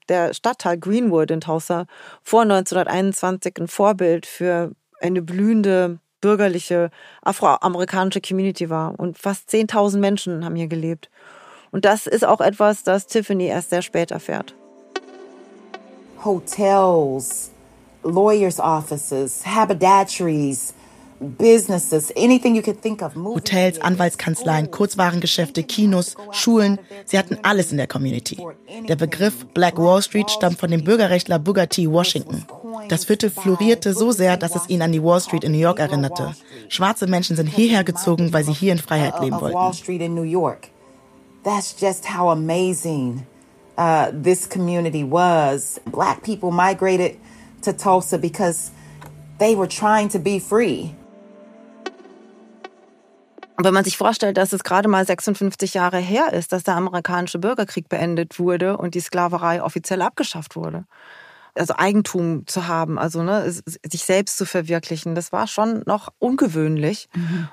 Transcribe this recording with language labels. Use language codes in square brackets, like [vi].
[de] der Stadtteil Greenwood in Tulsa vor 1921 ein Vorbild für eine blühende bürgerliche afroamerikanische Community war. Und fast 10.000 Menschen haben hier gelebt. Und das ist auch etwas, das Tiffany erst sehr spät erfährt. [en] Hotels, lawyers' offices, haberdasheries, businesses, anything you could think of. [de] Hotels, Anwaltskanzleien, Kurzwarengeschäfte, Kinos, Schulen, sie hatten alles in der Community. Der Begriff Black Wall Street stammt von dem Bürgerrechtler Booker T. Washington. Das Viertel florierte so sehr, dass es ihn an die Wall Street in New York erinnerte. Schwarze Menschen sind hierher gezogen, weil sie hier in Freiheit leben wollten. [en] Wall Street in New York. That's just how amazing this community was. Black people migrated to Tulsa because they were trying to be free. [de] Und wenn man sich vorstellt, dass es gerade mal 56 Jahre her ist, dass der amerikanische Bürgerkrieg beendet wurde und die Sklaverei offiziell abgeschafft wurde. Also Eigentum zu haben, also ne, sich selbst zu verwirklichen, das war schon noch ungewöhnlich. Mhm.